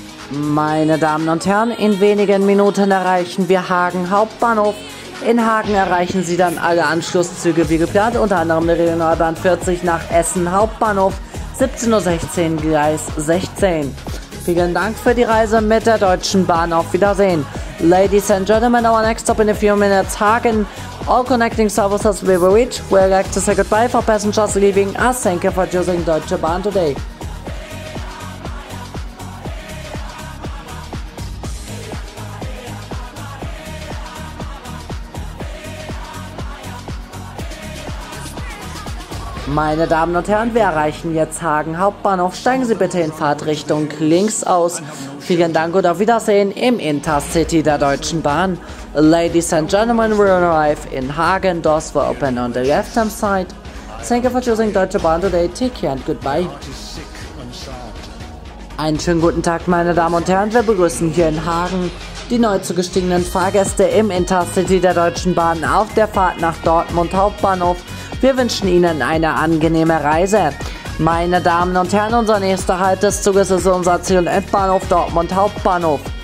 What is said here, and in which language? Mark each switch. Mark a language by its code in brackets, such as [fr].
[de] Meine Damen und Herren, in wenigen Minuten erreichen wir Hagen Hauptbahnhof. In Hagen erreichen Sie dann alle Anschlusszüge wie geplant, unter anderem der Regionalbahn 40 nach Essen Hauptbahnhof, 17.16 Uhr, Gleis 16. Vielen Dank für die Reise mit der Deutschen Bahn. Auf Wiedersehen. [en] Ladies and gentlemen, our next stop in a few minutes, Hagen. All connecting services will reach. We'd like to say goodbye for passengers leaving us. Thank you for choosing Deutsche Bahn today. [de] Meine Damen und Herren, wir erreichen jetzt Hagen Hauptbahnhof. Steigen Sie bitte in Fahrtrichtung links aus. Vielen Dank und auf Wiedersehen im Intercity der Deutschen Bahn. [en] Ladies and gentlemen, we arrive in Hagen. Doors were open on the left hand side. Thank you for choosing Deutsche Bahn today. Take care and goodbye. [de] Einen schönen guten Tag, meine Damen und Herren. Wir begrüßen hier in Hagen die neu zugestiegenen Fahrgäste im Intercity der Deutschen Bahn auf der Fahrt nach Dortmund Hauptbahnhof. Wir wünschen Ihnen eine angenehme Reise. Meine Damen und Herren, unser nächster Halt des Zuges ist unser Ziel- und Endbahnhof Dortmund Hauptbahnhof.